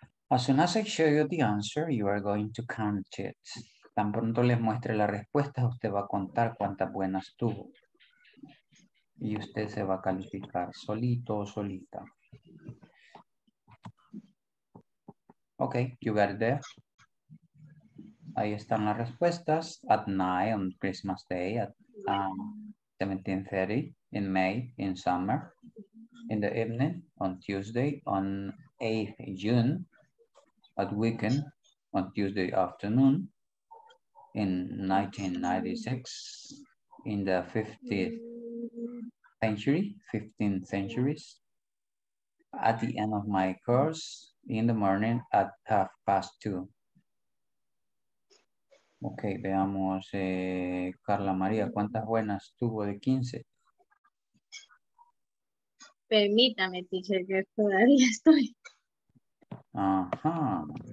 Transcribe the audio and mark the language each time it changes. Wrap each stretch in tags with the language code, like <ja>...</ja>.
<en>As soon as I show you the answer, you are going to count it.</en> <es>Tan pronto les muestre la respuesta, usted va a contar cuántas buenas tuvo. Y usted se va a calificar solito o solita.</es> <en>Okay, you got it there.</en> <es>Ahí están las respuestas.</es> <en>At night, on Christmas Day, at 17:30 in May, in summer, in the evening, on Tuesday, on 8th June, at weekend, on Tuesday afternoon, in 1996, in the 50th century, 15 centuries, at the end of my course, in the morning, at 2:30.</en> <es>Ok, veamos, Carla María, ¿cuántas buenas tuvo de 15? Permítame, teacher, que todavía estoy. Ajá.</es>